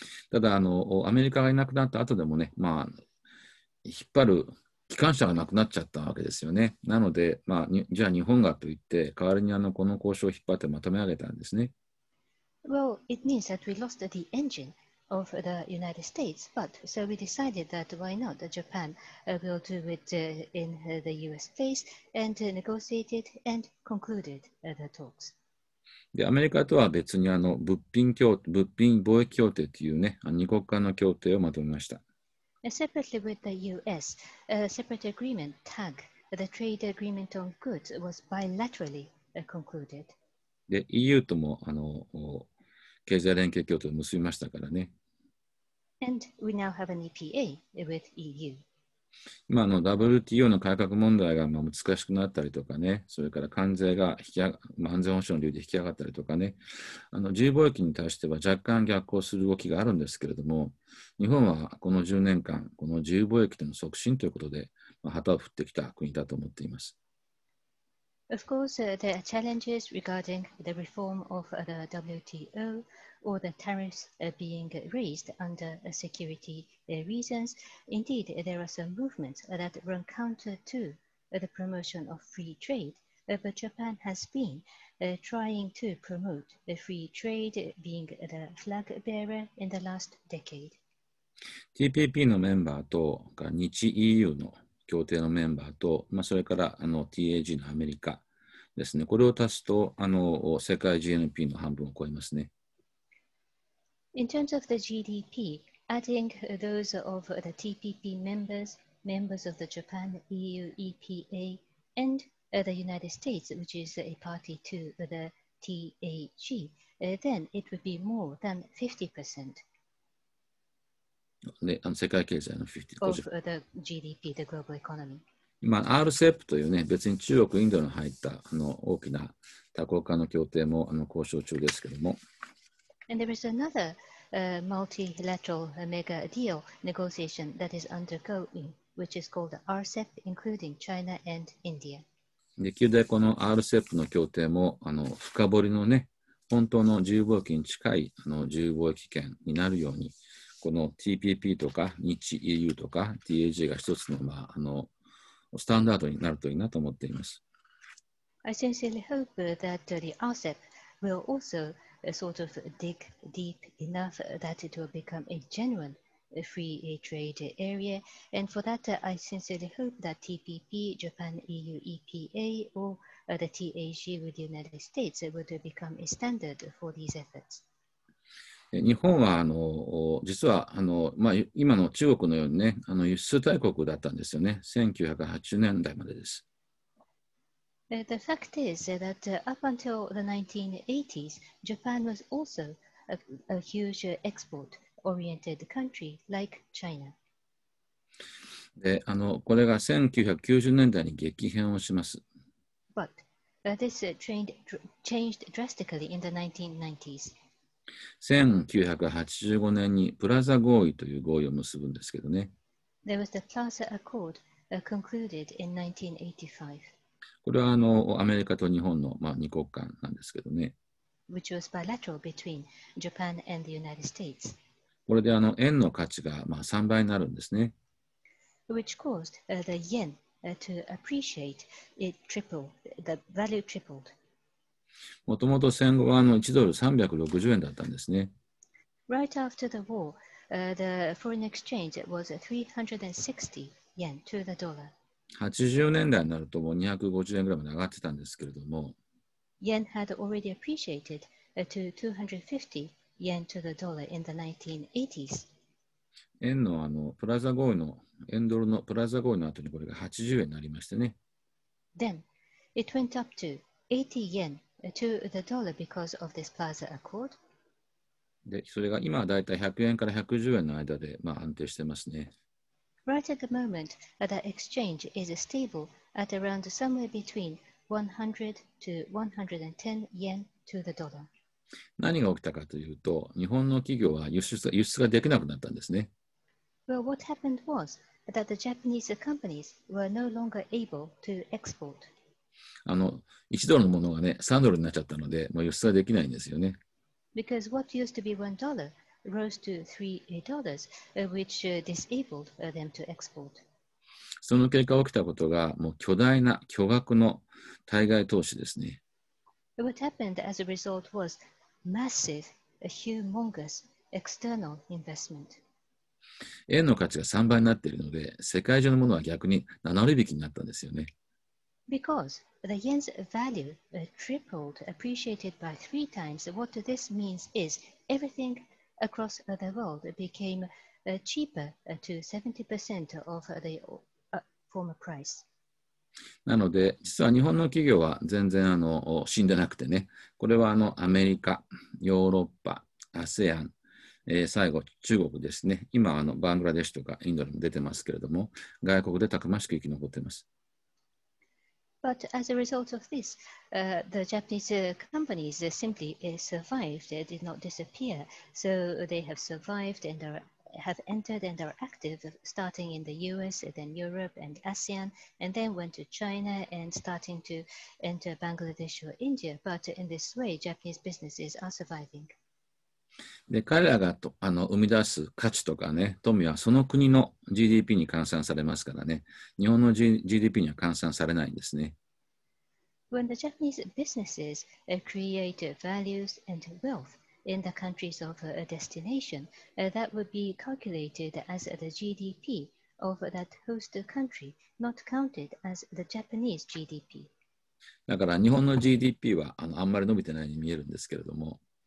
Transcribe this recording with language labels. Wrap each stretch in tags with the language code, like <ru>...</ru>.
<ja>ただアメリカがいなくなった後でもね、まあ、引っ張る機関車がなくなっちゃったわけですよね。なので、まあ、じゃあ日本がといって、代わりにこの交渉を引っ張ってまとめ上げたんですね。</ja> <en>Well, it means that we lost the engine of the United States, but so we decided that why not Japan will do it in the US place and negotiated and concluded the talks.</en> <ja>でアメリカとは別に物品貿易協定というね、二国間の協定をまとめました。</ja> <en>Separately with the US, a separate agreement, TAG, the Trade Agreement on Goods, was bilaterally concluded.</en> <ja>で、EU とも経済連携協定を結びましたからね。</ja> <en>And we now have an EPA with EU.</en> <ja>今WTO の改革問題が難しくなったりとかね、それから関税が安全保障の理由で引き上がったりとかね、自由貿易に対しては若干逆行する動きがあるんですけれども、日本はこの10年間、この自由貿易での促進ということで、旗を振ってきた国だと思っています。</ja> <en>Of course, there are challenges regarding the reform of the WTO or the tariffs being raised under security reasons. Indeed, there are some movements that run counter to the promotion of free trade. But Japan has been trying to promote free trade, being the flag bearer in the last decade.</en> <ja>TPP のメンバーと日 EU の協定のメンバーと、まあ、それからTAG のアメリカですね。これを足すと世界 GNP の半分を超えますね。</ja> <en>In terms of the GDP, adding those of the TPP members, members of the Japan EU EPA, and the United States, which is a party to the TAG, then it would be more than 50%.</en> <ja>で世界経済の</ja> <en>50% of the GDP, the global economy.</en> <ja>今 RCEP というね、別に中国インドの入った大きな多国間の協定も交渉中ですけども、</ja> <en>And there is another multilateral mega deal negotiation that is undergoing, which is called RCEP, including China and India.</en> <ja>できるだけこの RCEP の協定も深掘りのね、本当の自由貿易に近い自由貿易圏になるように、この TPP とか日 EU とか TAG が一つの、まあ、スタンダードになるといいなと思っています。</ja> <en>I sincerely hope that the RCEP will also sort of dig deep enough that it will become a genuine free trade area. And for that, I sincerely hope that TPP, Japan EU EPA, or the TAG with the United States will become a standard for these efforts.</en> <ja>日本は実は まあ、今の中国のようにね、輸出大国だったんですよね。 1980年代までです。</ja> <en>The fact is that up until the 1980s, Japan was also a huge export-oriented country like China.</en> <ja>で、これが1990年代に激変をします。</ja> <en>But this changed drastically in the 1990s.</en> <ja>1985年にプラザ合意という合意を結ぶんですけどね。</ja> <en>There was the Plaza Accord concluded in 1985.</en> <ja>これはアメリカと日本の、まあ、二国間なんですけどね。</ja> <en>Which was bilateral between Japan and the United States.</en> <ja>これで円の価値が、まあ、3倍になるんですね。</ja> <en>Which caused the yen to appreciate it triple, the value tripled.</en> <ja>もともと戦後は1ドル360円だったんですね。</ja> <en>Right after the war, the foreign exchange was 360 yen to the dollar.</en> <ja>80年代になるともう250円ぐらいまで上がってたんですけれども。</ja> <en>Yen had already appreciated to 250 yen to the dollar in the 1980s.</en> <ja>円のプラザ合意の、円ドルのプラザ合意の後にこれが80円になりましてね。</ja> <en>Then, it went up to 80 yen. To the dollar because of this Plaza Accord.</en> <ja>で、それが今はだいたい100円から110円の間で、まあ、安定してますね。</ja> <en>Right at the moment, the exchange is stable at around somewhere between 100 to 110 yen to the dollar.</en> <ja>何が起きたかというと、日本の企業は輸出ができなくなったんですね。</ja> <en>Well, what happened was that the Japanese companies were no longer able to export.</en> <ja>1ドルのものがね、3ドルになっちゃったので、もう輸出はできないんですよね。</ja> <en>Because what used to be $1 rose to $3, which disabled them to export.</en> <ja>その結果起きたことが、もう巨大な巨額の対外投資ですね。</ja> <en>What happened as a result was massive, a humongous external investment.</en> <ja>円の価値が3倍になっているので、世界中のものは逆に7割引きになったんですよね。</ja> <en>Because the yen's value tripled, appreciated by 3 times, what this means is everything across the world became cheaper to 70% of the former price.</en> <ja>なので、実は日本の企業は全然死んでなくてね、これはアメリカ、ヨーロッパ、ASEAN、最後中国ですね、今バングラデシュとかインドにも出てますけれども、外国でたくましく生き残っています。</ja> <en>But as a result of this, the Japanese companies simply survived, they did not disappear. So they have survived and have entered and are active, starting in the US, then Europe and ASEAN, and then went to China and starting to enter Bangladesh or India. But in this way, Japanese businesses are surviving.</en> <ja>で、彼らが生み出す価値とかね、富はその国の GDP に換算されますからね、日本の GDP には換算されないんですね。</ja> <en>When the Japanese businesses create values and wealth in the countries of a destination, that would be calculated as the GDP of that host country, not counted as the Japanese GDP.</en> <ja>だから日本の GDP はあんまり伸びてないように見えるんですけれども、</ja>